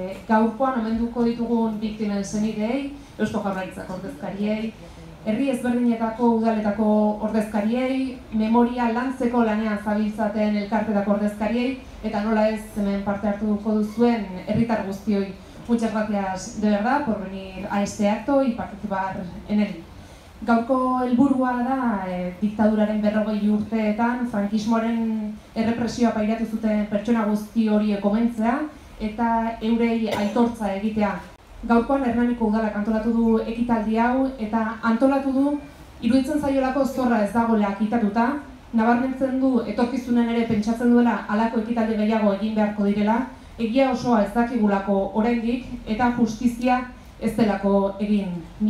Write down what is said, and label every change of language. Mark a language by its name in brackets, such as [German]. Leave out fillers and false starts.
[Basque] Gaurkoan omenduko ditugun biktimen senideei, Eusko Jaurlaritzako ordezkariei, herri ezberdinetako udaletako ordezkariei, memoria lantzeko lanean zabiltzaten elkartetako ordezkariei, eta nola ez hemen parte hartuko duzuen herritar guztioi. [Spanish] Muchas gracias de verdad por venir a este acto y participar en él. [Basque] Gaurko helburua da, diktaduraren 40 urteetan frankismoaren errepresioa pairatu zuten pertsona guzti horiek omentzea eta eurei aitortza egitea. Gaurkoan Hernaniko udalak antolatu du ekitaldi hau eta antolatu du iruditzen zaiolako zorra ez dagoela kitatuta, nabarmentzen du etorkizunen ere pentsatzen duela halako ekitaldi gehiago egin beharko direla, egia osoa ez dakigulako oraindik eta justizia ez delako egin.